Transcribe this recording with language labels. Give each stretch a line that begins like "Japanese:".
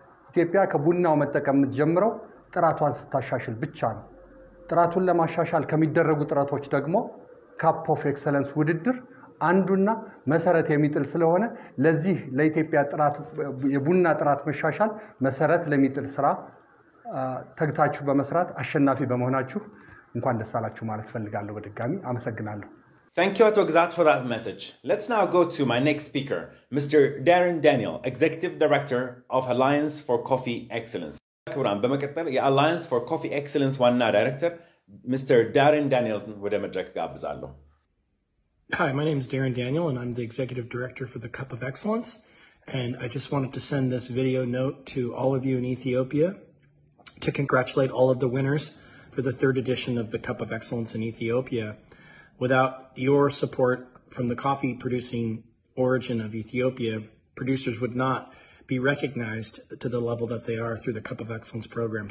Amharic: ኢትዮጵያ ከቡናው መጠቀም የምትጀምረው ጥራቷን ስታሻሽል ብቻ ነው። ጥራቱን ለማሻሻል ከሚደረጉ ጥረቶች ደግሞ ካፕ ኦፍ ኤክሰለንስ ውድድር አንዱና መሰረት የሚጥል ስለሆነ ለዚህ ለኢትዮጵያ ጥራት የቡና ጥራት መሻሻል መሰረት ለሚጥል ስራ ተግታችሁ በመስራት አሸናፊ በመሆናችሁ እንኳን ደስ አላችሁ ማለት ፈልጋለሁ። በድጋሚ አመሰግናለሁ።
English: Thank you, Dr. Gzat, for that message. Let's now go to my next speaker, Mr. Darren Daniel, Executive Director of Alliance for Coffee Excellence.
Amharic: ክብራን በመቀጠል የአላያንስ ፎር ኮፊ ኤክሰለንስ ዋና ዳይሬክተር ሚስተር ዳሪን ዳንኤልን ወደ መድረክ ጋብዛለሁ።
English: Hi, my name is Darren Daniel and I'm the executive director for the Cup of Excellence, and I just wanted to send this video note to all of you in Ethiopia to congratulate all of the winners for the third edition of the Cup of Excellence in Ethiopia. Without your support from the coffee producing origin of Ethiopia, producers would not be recognized to the level that they are through the Cup of Excellence program.